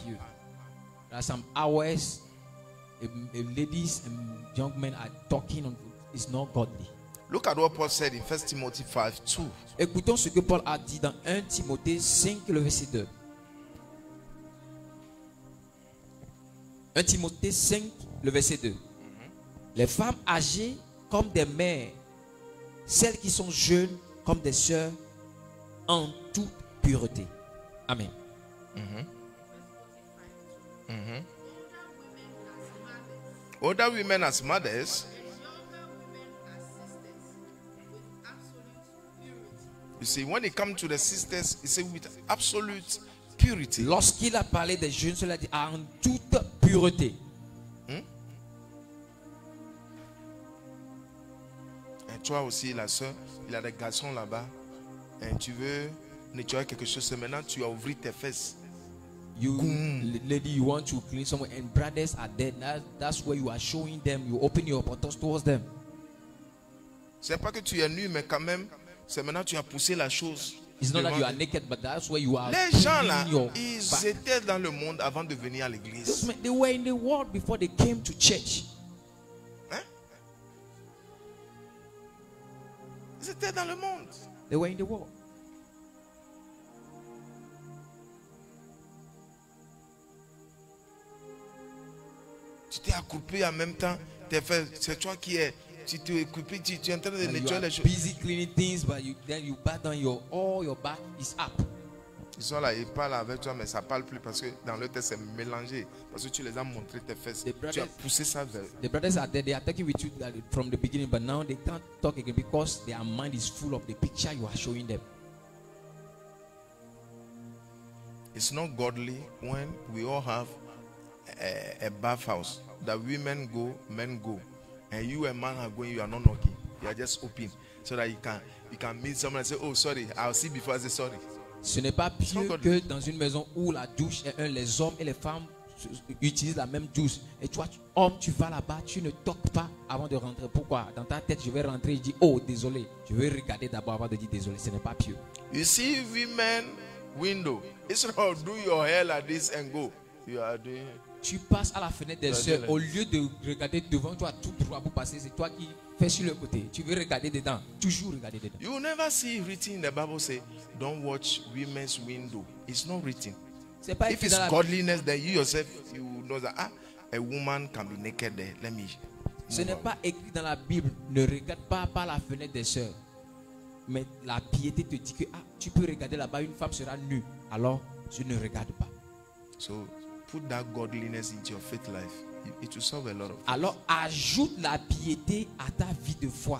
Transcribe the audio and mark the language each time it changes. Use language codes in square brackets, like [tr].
[en] There are some hours if ladies and young men are talking, it's not godly. Look at what Paul said in 1 Timothy 5, 2. [fr] Écoutons ce que Paul a dit dans 1 Timothée 5, le verset 2. 1 Timothée 5, le verset 2. Les femmes âgées comme des mères, celles qui sont jeunes, comme des sœurs en toute pureté. Amen. [en] Older women as mothers. You see, when it comes to the sisters, he said with absolute purity. [fr] Lorsqu'il a parlé des jeunes, cela dit en toute pureté. Et toi aussi, la sœur. Il y a des garçons là-bas. Et tu veux nettoyer quelque chose. C'est maintenant tu as ouvert tes fesses. [en] Lady, you want to clean somewhere. And brothers are dead. That's where you are showing them. You open your portals towards them. [fr] C'est pas que tu es nu, mais quand même, c'est maintenant tu as poussé la chose. [en] It's not that you are naked, but that's where you are. [fr] Les gens là, ils étaient dans le monde avant de venir à l'église. [en] They were in the world before they came to church. [fr] Ils étaient dans le monde. [en] They were in the world. [fr] Tu t'es accroupi en même temps. T'es fait, c'est toi qui es. Tu t'es accroupi. Tu es en train de nettoyer les choses. [en] You are busy cleaning things, but then you bat down all your back is up. [fr] Ils sont là, ils parlent avec toi, mais ça parle plus parce que dans leur tête c'est mélangé. Parce que tu les as montré tes fesses. [en] Brothers, [fr] tu as poussé ça vers. [en] The brothers are there. They are talking with you from the beginning, but now they can't talk again because their mind is full of the picture you are showing them. It's not godly when we all have a bathhouse that women go, men go, and you a man are going. You are not knocking. You are just open so that you can meet someone and say, oh sorry, I'll see before I say sorry. [fr] Ce n'est pas pieux que dans une maison où la douche est un, les hommes et les femmes utilisent la même douche. Et toi, homme, tu vas là-bas, tu ne toques pas avant de rentrer. Pourquoi? Dans ta tête, je vais rentrer, je dis, oh, désolé. Je vais regarder d'abord avant de dire désolé. Ce n'est pas pieux. [en] You see, women, window. It's not do your hair like this and go. You are doing. [fr] Tu passes à la fenêtre des soeurs. Au lieu de regarder devant toi, tout droit pour passer, c'est toi qui fais sur le côté. Tu veux regarder dedans. Toujours regarder dedans. [en] You never see written in the Bible say, don't watch women's window. It's not written. [fr] C'est pas [en] if it's godliness, then you yourself, you know that, a woman can be naked there. Let me [fr] Ce n'est pas écrit dans la Bible. Ne regarde pas par la fenêtre des sœurs. Mais la piété te dit que ah, tu peux regarder là-bas, une femme sera nue. Alors, je ne regarde pas. [en] So, put that godliness into your faith life. It will solve a lot of things. [fr] Alors, ajoute la piété à ta vie de foi.